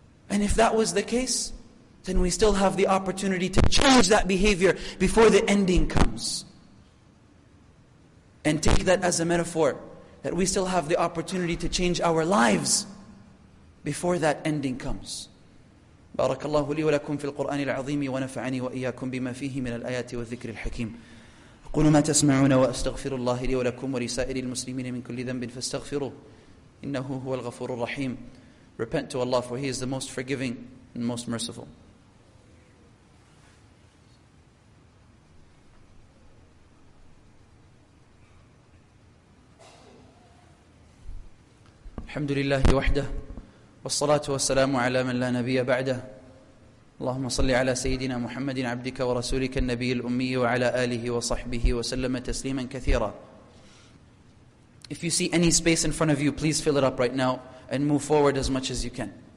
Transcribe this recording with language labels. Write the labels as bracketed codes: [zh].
[en] And if that was the case, then we still have the opportunity to change that behavior before the ending comes. And take that as a metaphor, that we still have the opportunity to change our lives before that ending comes. [ar] بارك الله لي ولكم في القرآن العظيم ونفعني وإياكم بما فيه من الآيات والذكر الحكيم. قولوا ما تسمعون وأستغفر الله لي ولكم ولسائر المسلمين من كل ذنب فاستغفروه إنه هو الغفور الرحيم. [en] Repent to Allah, for He is the most forgiving and most merciful. [ar] الحمد لله وحده والصلاة والسلام على من لا نبي بعده. اللهم صل على سيدنا محمد عبدك ورسولك النبي الأمي وعلى آله وصحبه وسلم تسليما كثيرا. [en] If you see any space in front of you, please fill it up right now and move forward as much as you can.